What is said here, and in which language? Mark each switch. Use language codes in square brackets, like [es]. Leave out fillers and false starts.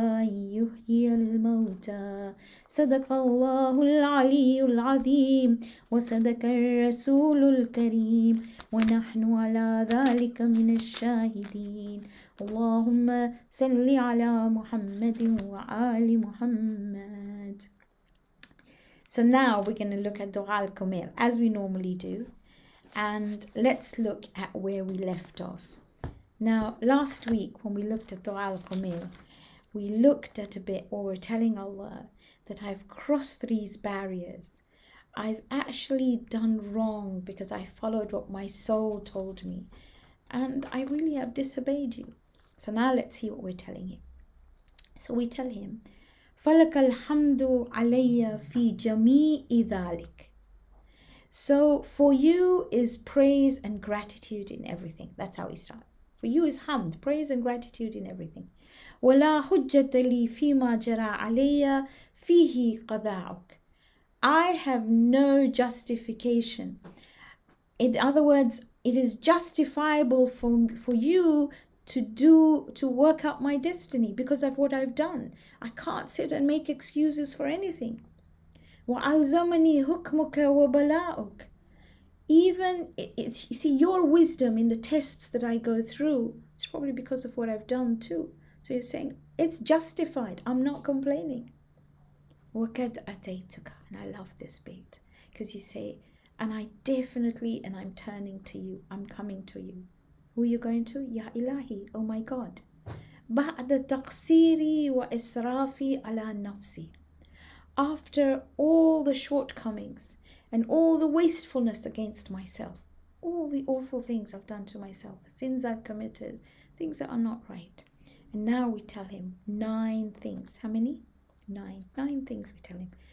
[ar] أن يحيي الموتى صدق الله العلي العظيم وصدق الرسول الكريم ونحن على ذلك من الشاهدين اللهم صل على محمد وآل محمد. [en] So now we're going to look at Dua al-Kumayl as we normally do. And let's look at where we left off. Now, last week when we looked at Dua al-Kumayl, we looked at a bit where we're telling Allah that I've crossed these barriers. I've actually done wrong because I followed what my soul told me. And I really have disobeyed you. So now let's see what we're telling him. So we tell him, [ar] فَلَكَ الْحَمْدُ عَلَيَّ فِي جَمِيعِ ذَلِكَ. [en] So for you is praise and gratitude in everything. That's how we start. For you is hamd, praise and gratitude in everything. [ar] وَلَا حُجَّةَ لِي فِي مَا جَرَى عَلَيَّ فِيهِ قَضَاؤُكَ. [en] I have no justification. In other words, it is justifiable for you to work out my destiny because of what I've done. I can't sit and make excuses for anything. [ar] وَعَلْزَمَنِي هُكْمُكَ وَبَلَاءُكَ. [en] Even, you see, your wisdom in the tests that I go through, it's probably because of what I've done too. So you're saying, it's justified, I'm not complaining. [ar] وَكَدْ أَتَيْتُكَ. [en] And I love this bit, because you say, and I definitely, and I'm turning to you, I'm coming to you. Who are you going to? Ya Ilahi, oh my God. [ar] بعد تقصيري وإسرافي على نفسي. [en] After all the shortcomings and all the wastefulness against myself, all the awful things I've done to myself, the sins I've committed, things that are not right. And now we tell him nine things. How many? Nine. Nine things we tell him.